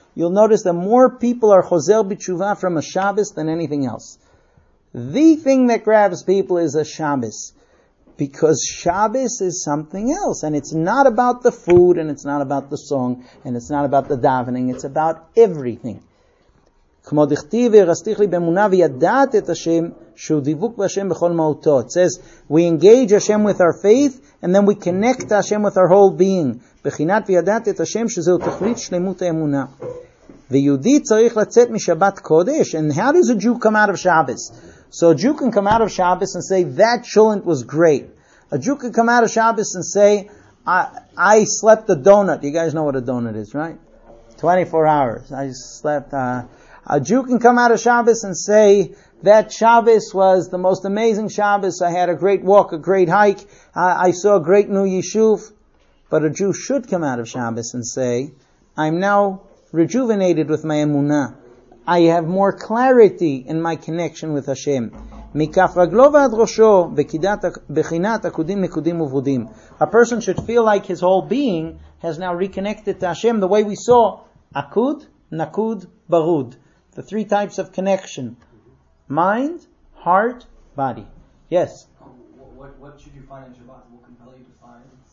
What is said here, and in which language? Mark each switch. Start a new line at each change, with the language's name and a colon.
English: You'll notice that more people are Chozer B'tshuva from a Shabbos than anything else. The thing that grabs people is a Shabbos. Because Shabbos is something else. And it's not about the food, and it's not about the song, and it's not about the davening. It's about everything.
Hebrew: כמו דכתיב והרסתיך לי באמונה וידעת את השם, שהוא דיווק בהשם בכל מהותו.
English: It says, we engage Hashem with our faith, and then we connect to Hashem with our whole being.
Hebrew: בחינת וידעת את השם, שזהו תכלית שלמות האמונה. ויהודי צריך לצאת משבת קודש.
English: And how does a Jew come out of Shabbos? So a Jew can come out of Shabbos and say, that chulent was great. A Jew can come out of Shabbos and say, I slept a donut. You guys know what a donut is, right? 24 hours. I slept. A Jew can come out of Shabbos and say, that Shabbos was the most amazing Shabbos. I had a great walk, a great hike. I saw a great new yeshuv. But a Jew should come out of Shabbos and say, I'm now rejuvenated with my emunah. I have more clarity in my connection with Hashem.
Hebrew: מכף רגלו ועד ראשו, בחינת עקודים נקודים וברודים.
English: A person should feel like his whole being has now reconnected to Hashem the way we saw.
Hebrew: עקוד, נקוד, ברוד.
English: The three types of connection. Mind, heart, body. Yes? What should you find in Shabbat? What compel you to find?